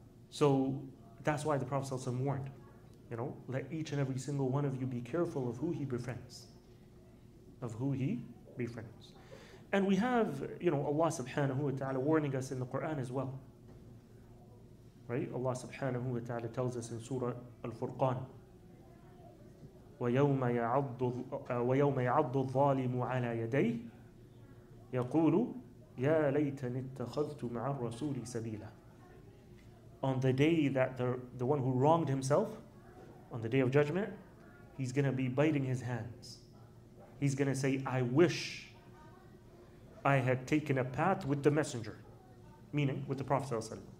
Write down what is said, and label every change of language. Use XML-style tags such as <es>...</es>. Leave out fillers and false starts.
<en>So that's why the Prophet ﷺ warned, you know, let each and every single one of you be careful of who he befriends. Of who he befriends. And we have, you know, Allah subhanahu wa ta'ala warning us in the Quran as well. Right? Allah subhanahu wa ta'ala tells us in Surah Al-Furqan,</en> <ar>وَيَوْمَ يَعَضُّ الظَّالِمُ عَلَى يَدَيْهِ يَقُولُ يَا لَيْتَنِ اتَّخَذْتُ مَعَ الرَّسُولِ سَبِيلًا.</ar> <en>On the day that the one who wronged himself, on the day of judgment, he's going to be biting his hands. He's going to say, I wish I had taken a path with the messenger, meaning with the Prophet ﷺ.</en>